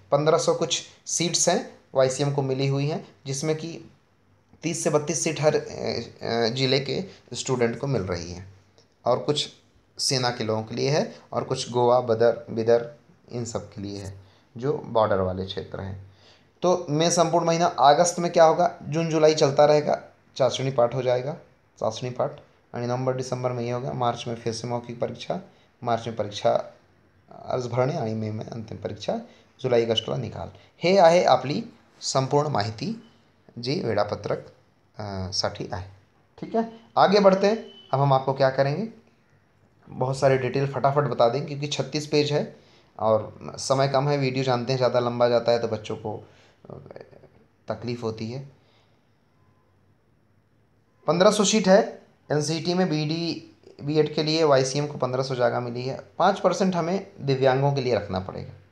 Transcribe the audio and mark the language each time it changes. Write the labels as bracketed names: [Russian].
[Hindi] 1500 कुछ सीट्स हैं YCM को मिली हुई हैं, जिसमें कि 30 से 32 सीट हर जिले के स्टूडेंट को मिल रही है, और कुछ सेना के लोगों के लिए है और कुछ गोवा, बदर, बिदर इन सब के लिए है जो बॉर्डर वाले क्षेत्र हैं। तो मैं संपूर्ण महीना अगस्त में क्या होगा, जून जुलाई चलता रहेगा, चाशनी पाठ हो जाएगा, चाशनी पाठ, यानी नवंबर दिसंबर में ये होगा, मार्च में फिर से मौखिक परीक्षा, मार्च में परीक्षा अर्ज भरने, आई मई में अंतिम परीक्षा, जुलाई अगस्त का निकाल। [Marathi] हे आहे आपली संपूर्ण माहिती जी वेळापत्रक साठी आहे। [Hindi] ठीक है, आगे बढ़ते हैं। अब हम आपको क्या करेंगे, बहुत सारे डिटेल फटाफट बता देंगे क्योंकि 36 पेज है और समय कम है, वीडियो जानते हैं ज़्यादा लंबा जाता है तो बच्चों को तकलीफ होती है। 1500 सीट है NCET में BED BEd के लिए, YCM को 1500 जगह मिली है, 5% हमें दिव्यांगों के लिए रखना पड़ेगा।